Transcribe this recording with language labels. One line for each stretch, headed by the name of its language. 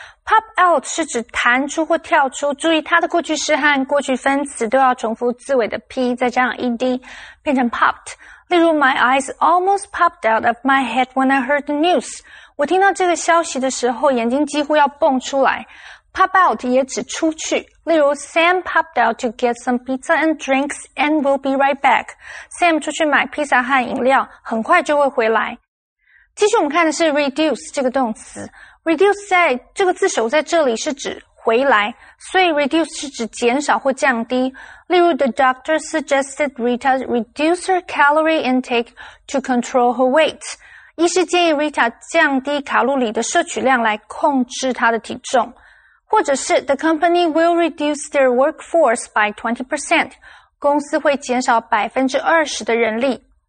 Chinese: Pop out 是指弹出或跳出，注意它的过去式和过去分词都要重复字尾的 p 再加上 ed， 变成 popped。例如
English: ，My eyes almost popped out of my head when I heard the news。
Chinese: 我听到这个消息的时候，眼睛几乎要蹦出来。 pop out 也指出去。例如
English: Sam popped out to get some pizza and drinks and will be right back.
Chinese: Sam 出去买披萨和饮料，很快就会回来。继续我们看的是 reduce 这个动词。reduce 在这个字首在这里是指回来，所以 reduce 是指减少或降低。例如
English: the doctor suggested Rita reduce her calorie intake to control her weight.
Chinese: 医师建议 Rita 降低卡路里的摄取量来控制她的体重。或者是
English: the company will reduce their workforce by 20%.
Chinese: 公司会减少 20% 的人力。